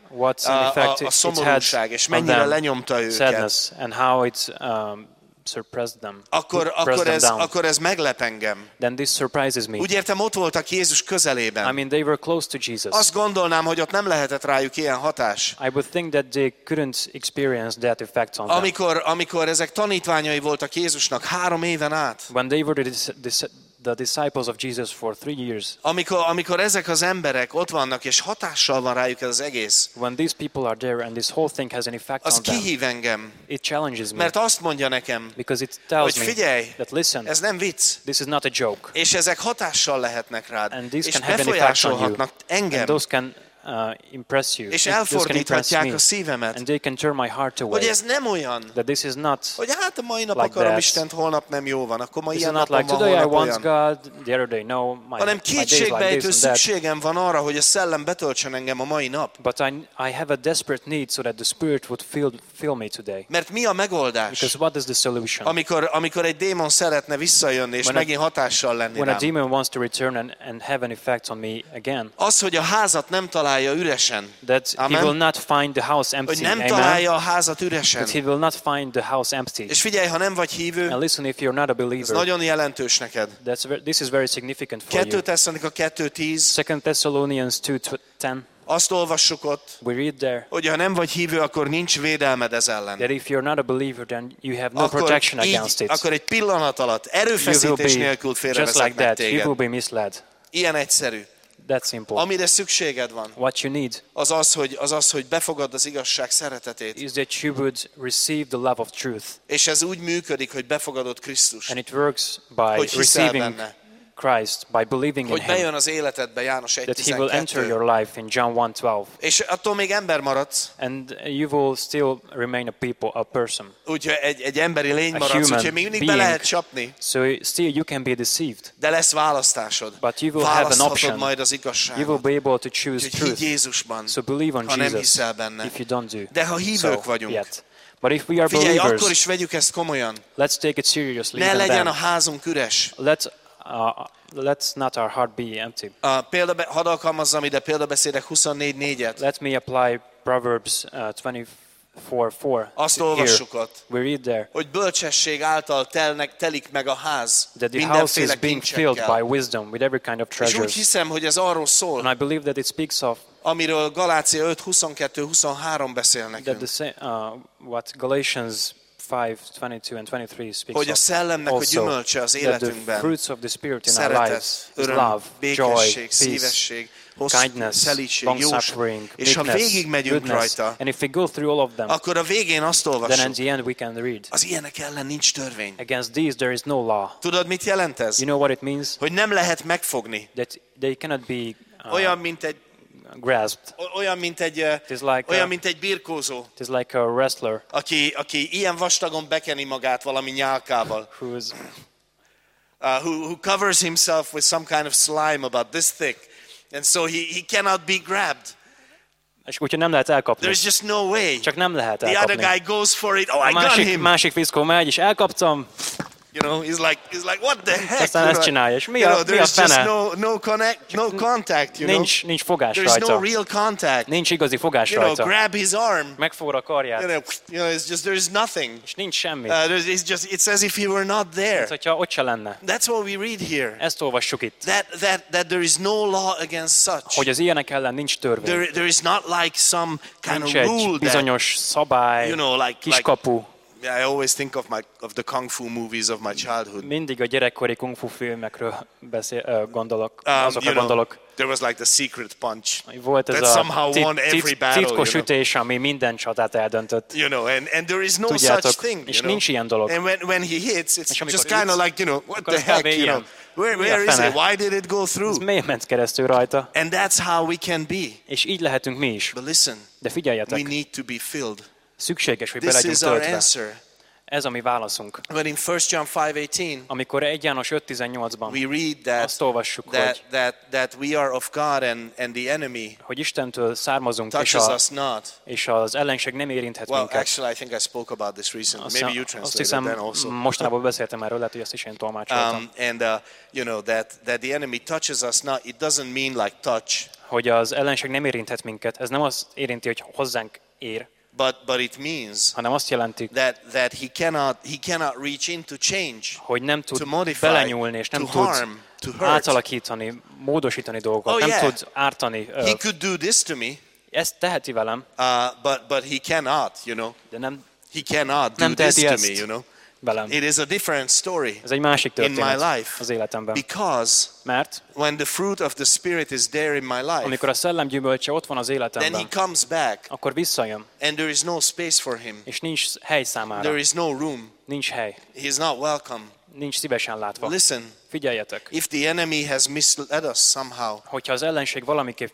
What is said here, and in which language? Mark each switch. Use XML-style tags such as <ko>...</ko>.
<en>what's in effect,</en> <hu>a szomorúság, és mennyire lenyomta őket,</hu> <en>sadness, and how it suppressed them,</en> <hu>akkor ez meglep engem.</hu> <en>Then this surprises me.</en> <hu>Úgy értem, ott voltak Jézus közelében.</hu> <en>I mean, they were close to Jesus.</en> <hu>Azt gondolnám, hogy ott nem lehetett rájuk ilyen hatás.</hu> <en>I would think that they couldn't experience that effect on them.</en> <hu>Amikor ezek tanítványai voltak Jézusnak 3 éven át,</hu> <en>when they were the disciples of Jesus for 3 years.</en> <hu>Amikor ezek az emberek ott vannak és hatással van rájuk ez az egész.</hu> <en>When these people are there and this whole thing has an effect on them.</en> <hu>Az kihív engem.</hu> <en>It challenges me.</en> <hu>Mert azt mondja nekem.</hu> <en>Because it tells me.</en> <hu>Hogy figyelj.</hu> <en>That listen.</en> <hu>Ez nem vicc.</hu> <en>This is not a joke.</en> <hu>És ezek hatással lehetnek rád.</hu> <en>And these</en> <hu>és</hu> <en>can have an effect on you.</en> <hu>Engem.</hu> <en>And those can impress you.</en> <hu>És elfordíthatják a szívemet.</hu> <en>And they can turn my heart away.</en> <hu>Hogy ez nem olyan.</hu> <en>That this is not.</en> <hu>Hogy hát a mai nap akarom Istent, holnap nem jó van. Akkor ma ilyen napom,</hu> <en>like</en> <hu>ma holnap</hu> <en>today I want God, the other day no.</en> <hu>Hanem kétségbejtő szükségem van arra, hogy a szellem betöltsön engem a mai nap.</hu> <en>But I have a desperate need so that the Spirit would fill me today.</en> <hu>Mert mi a megoldás?</hu> <en>Because what is the solution?</en> <hu>Amikor egy démon szeretne visszajönni és megint hatással lenni rám.</hu> <en>When a demon wants to return and have an effect on me again.</en> <hu>Az, hogy a házat nem talál.</hu> <en>That he will not find the house empty.</en> <hu>Hogy nem találja a házat üresen.</hu> <en>That he will not find the house empty.</en> <hu>És figyelj, ha nem vagy hívő.</hu> <en>And listen, if you're not a believer.</en> <hu>Ez nagyon jelentős neked.</hu> <en>This is very significant for you. 2 Thessalonians 2:10. 2 Thessalonians 2:10.</en> <hu>Azt olvassuk ott.</hu> <en>We read there.</en> <hu>Hogy ha nem vagy hívő, akkor nincs védelmed ez ellen.</hu> <en>That if you're not a believer, then you have no protection against it.</en> <hu>Akkor egy pillanat alatt, erőfeszítés nélkül félrevezetnek téged.</hu> <en>You will be misled.</en> <hu>Ilyen egyszerű.</hu> <en>That's simple.</en> <hu>Amire szükséged van.</hu> <en>What you need.</en> <hu>Az, hogy befogadd az igazság szeretetét.</hu> <en>Is that you would receive the love of truth.</en> <hu>És ez úgy működik, hogy befogadod Krisztust.</hu> <en>And it works by receiving Christ, by believing</en> <hu>hogy</hu> <en>in him.</en> <hu>Hogy bejön az életedbe János 1:12.</hu> <en>That he will enter your life in John 1:12.</en> <hu>És attól még ember maradsz.</hu> <en>And you will still remain a people, a person.</en> <hu>Úgyhogy egy emberi lény maradsz, úgyhogy még mindig be lehet csapni.</hu> <en>So still you can be deceived.</en> <hu>De lesz választásod.</hu> <en>But you will have an option.</en> <hu>Majd az igazságot.</hu> <en>You will be able to choose truth.</en> <hu>Hidd Jézusban.</hu> <en>So believe on Jesus.</en> <hu>Ha nem hiszel benne.</hu> <en>If you don't do.</en> <hu>De ha hívők vagyunk.</hu> <en>Yet. But if we are</en> <hu>figyelj,</hu> <en>believers.</en> <hu>Akkor is vegyük ezt komolyan.</hu> <en>Let's take it seriously.</en> <hu>Ne legyen a házunk üres.</hu> <en>Let's not our heart be empty.</en> <hu>Hadd alkalmazzam ide példabeszédek 24:4-et.</hu> <en>Let me apply Proverbs 24:4.</en> <hu>Azt olvassuk ott.</hu> <en>We read there.</en> <hu>Hogy bölcsesség által telik meg a ház.</hu> <en>That the house is being filled by wisdom with every kind of treasures.</en> <hu>És úgy hiszem, hogy ez arról szól.</hu> <en>And I believe that it speaks of.</en> <hu>Amiről Galácia 5:22-23 beszél nekünk.</hu> <en>That the what Galatians 5:22-23 speaks</en> <hu>hogy a szellemnek a gyümölcse az életünkben.</hu> <en>The fruits of the spirit in</en> <hu>szeretet,</hu> <en>our lives,</en> <hu>öröm,</hu> <en>love,</en> <hu>békesség,</hu> <en>joy,</en> <hu>szívesség,</hu> <en>peace, kindness,</en> <hu>szelítség,</hu> <en>long-suffering,</en> <hu>és ha végig megyünk rajta,</hu> <en>and if we go through all of them,</en> <hu>akkor a végén azt olvassuk,</hu> <en>then in the end we can read.</en> <hu>Az ilyenek ellen nincs törvény.</hu> <en>Against these there is no law.</en> <hu>Tudod mit jelent ez?</hu> <en>You know what it means?</en> <hu>Hogy nem lehet megfogni.</hu> <en>That they cannot be</en> <hu>olyan mint egy</hu> <en>grasped.</en> <hu>Olyan mint egy birkózó.</hu> <en>It is like a wrestler.</en> <hu>Aki ilyen vastagon bekeni magát valami nyálkával.</hu> <en>Who covers himself with some kind of slime about this thick, and so he cannot be grabbed.</en> <hu>És úgy, nem lehet elkapni.</hu> <en>There is just no way.</en> <hu>Csak nem lehet elkapni.</hu> <en>The other guy goes for it. Oh,</en> <hu>másik,</hu> <en>I got him.</en> <hu>Másik fickó megy, és elkaptam.</hu> <en>You know, he's like, what the heck?</en> <hu>Aztán ezt csinálja, és mi a fene?</hu> <en>There's just no contact, you</en> <hu>nincs,</hu> <en>know?</en> <hu>Nincs fogás</hu> <en>there's</en> <hu>rajta.</hu> <en>There's no real contact.</en> <hu>Nincs igazi fogás</hu> <en>you know,</en> <hu>rajta.</hu> <en>You grab his arm.</en> <hu>Megfogod a karját.</hu> <en>You know, it's just, there's nothing.</en> <hu>És nincs semmi.</hu> <en>It's as if he were not there.</en> <hu>Mint, hogyha ott se lenne.</hu> <en>That's what we read here.</en> <hu>Ezt olvassuk itt.</hu> <en>That there is no law against such.</en> <hu>Hogy az ilyenek ellen nincs törvény.</hu> <en>There is not like some kind</en> <hu>nincs</hu> <en>of rule</en> <hu>egy bizonyos</hu> <en>that,</en> <hu>szabály,</hu> <en>you know, like,</en> <hu>kiskapu.</hu> <en>Like, yeah, I always think of the kung fu movies of my childhood.</en> <hu>Mindig a gyerekkori kung fu filmekről gondolok, azokra gondolok.</hu> <en>There was like the secret punch.</en> <hu>Volt ez</hu> <en>that somehow won every battle.</en> <hu>Titkos ütés, ami minden csatát eldöntött.</hu> <en>You know, and there is no such thing.</en> <hu>És nincs ilyen dolog.</hu> <en>And when he hits, it's just kind of like, you know, what the heck, you know. Where is it? Why did it go through?</en> <hu>Ez miért ment keresztül rajta?</hu> <en>And that's how we can be.</en> <hu>És így lehetünk mi is.</hu> <en>But listen,</en> <hu>de figyeljetek.</hu> <en>We need to be filled.</en> <hu>Szükséges, hogy be legyünk töltve. Ez a mi válaszunk.</hu> <en>When in 1 John 5:18,</en> <hu>amikor 1 János 5:18-ban</hu> <en>we read that,</en> <hu>azt olvassuk,</hu> <en>that we are of God and the enemy,</en> <hu>hogy Istentől származunk, és az ellenség nem érinthet</hu> <en>well,</en> <hu>minket.</hu> <en>Actually, I think I spoke about this recently. Maybe you translated</en> <hu>hiszem,</hu> <en>then also.</en> <hu>Mostanában beszéltem erről, lehet, hogy ezt is én tolmácsoltam.</hu> <en>That the enemy touches us not, it doesn't mean like touch.</en> <hu>Hogy az ellenség nem érinthet minket, ez nem azt érinti, hogy hozzánk ér.</hu> <en>But it means that he cannot reach in to change,</en> <hu>hogy nem tud</hu> <en>to modify,</en> <hu>belenyúlni, és nem</hu> <en>to harm, to hurt.</en> <hu>Átalakítani, módosítani dolgokat, oh, nem yeah. tud ártani.</hu> <en>He could do this to me.</en> <hu>Ezt teheti velem.</hu> <en>But he cannot, you know.</en> <hu>De nem.</hu> <en>He cannot</en> <hu>nem</hu> <en>do this to me, you know.</en> <hu>Velem.</hu> <en>It is a different story.</en> <hu>Ez egy másik történet</hu> <en>in my life.</en> <hu>Az életemben.</hu> <en>Because</en> <hu>mert</hu> <en>when the fruit of the spirit is there in my life,</en> <hu>amikor a szellem gyümölcse ott van az életemben,</hu> <en>then he comes back,</en> <hu>akkor visszajön,</hu> <en>and there is no space for him,</en> <hu>és nincs hely számára,</hu> <en>there is no room,</en> <hu>nincs hely,</hu> <en>he is not welcome,</en> <hu>nincs szívesen látva.</hu> <en>Listen,</en> <hu>figyeljetek,</hu> <en>if the enemy has misled us somehow,</en> <hu>hogyha az ellenség valamiképp</hu>